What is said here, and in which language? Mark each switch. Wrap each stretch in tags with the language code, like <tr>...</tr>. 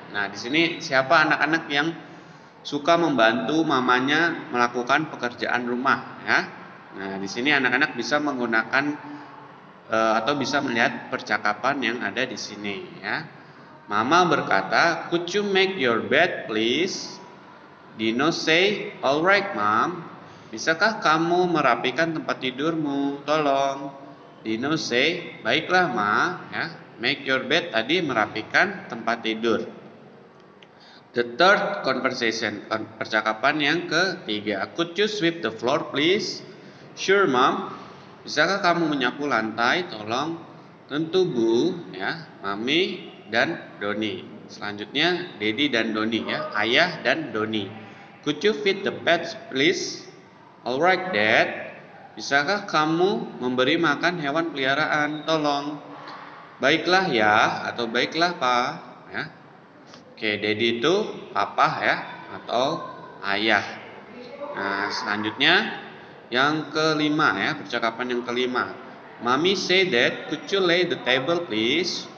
<id>Nah, di sini siapa anak-anak yang suka membantu mamanya melakukan pekerjaan rumah, ya. Nah, di sini anak-anak bisa menggunakan atau bisa melihat percakapan yang ada di sini, ya. Mama berkata,</id> <en>"Could you make your bed, please?" Dino say, "All right, Mom."</en> <id>Bisakah kamu merapikan tempat tidurmu? Tolong.</id> <en>Dino say,</en> <id>baiklah ma, ya.</id> <en>Make your bed</en> <id>tadi merapikan tempat tidur.</id> <en>The third conversation,</en> <id>percakapan yang ketiga.</id> <en>Could you sweep the floor please? Sure mom.</en> <id>Bisakah kamu menyapu lantai? Tolong. Tentu bu, ya. Mami dan Doni. Selanjutnya, Daddy dan Doni, ya. Ayah dan Doni.</id> <en>Could you feed the pets please? Alright, Dad.</en> <id>Bisakah kamu memberi makan hewan peliharaan? Tolong. Baiklah ya, atau baiklah Pa, ya. Oke, Daddy itu Papa ya, atau Ayah. Nah, selanjutnya yang kelima ya, percakapan yang kelima.</id> <en>Mommy say, Dad, could you lay the table please?</en>